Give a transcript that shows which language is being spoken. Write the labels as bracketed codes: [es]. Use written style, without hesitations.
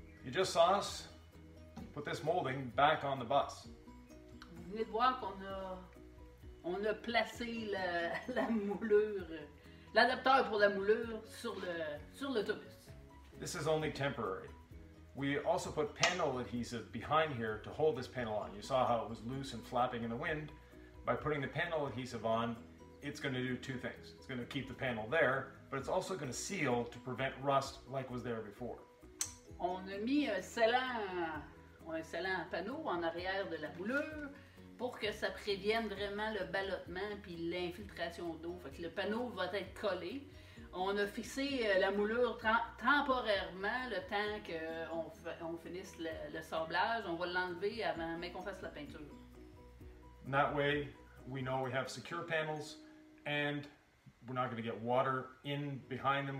[en] Just saw us put this molding back on the bus. [fr] Vous venez de voir qu'on a placé la moulure, l'adapteur pour la moulure sur l'autobus. [en] This is only temporary. We also put panel adhesive behind here to hold this panel on. You saw how it was loose and flapping in the wind. By putting the panel adhesive on, it's going to do two things. It's going to keep the panel there, but it's also going to seal to prevent rust like was there before. [fr] On a mis un scellant à panneau en arrière de la moulure pour que ça prévienne vraiment le ballottement puis l'infiltration d'eau. Fait que le panneau va être collé. On a fixé la moulure temporairement, le temps qu'on on finisse le sablage. On va l'enlever avant même qu'on fasse la peinture. [en] That way, we know we have secure panels, and we're not going to get water in behind them.